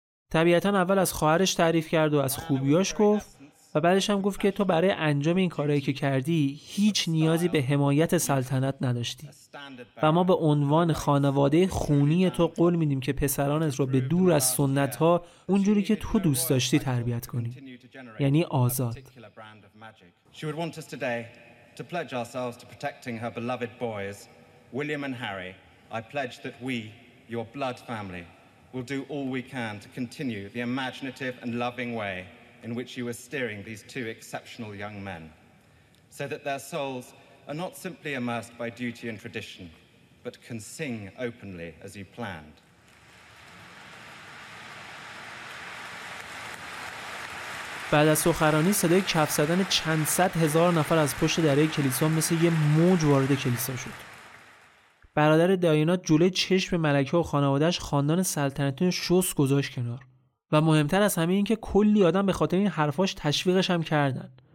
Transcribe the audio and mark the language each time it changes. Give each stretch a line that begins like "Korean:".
Persian: طبیعتاً اول از خواهرش تعریف کرد و از خوبیاش گفت و بعدش هم گفت که تو برای انجام این کارایی که کردی هیچ نیازی به حمایت سلطنت نداشتی و ما به عنوان خانواده خونی تو قول میدیم که پسرانت رو به دور از سنت‌ها اونجوری که تو دوست داشتی تربیت کنیم، یعنی آزاد.
English: She would want us today to pledge ourselves to protecting her beloved boys William and Harry. I pledge that we, your blood family, we'll do all we can to continue the imaginative and loving way in which you are steering these two exceptional young men, so that their souls are not simply immersed by duty and tradition, but can sing openly as you planned.
Persian: بعد از سخنرانی صدای کف زدن چند صد هزار نفر از پشت درهای کلیسا مثل یه موج وارد کلیسا شد. برادر داینا جلوی چشم ملکه و خانوادهش خاندان سلطنتی رو شوس گذاشت کنار و مهمتر از همه این که کلی آدم به خاطر این حرفاش تشویقش هم کردن.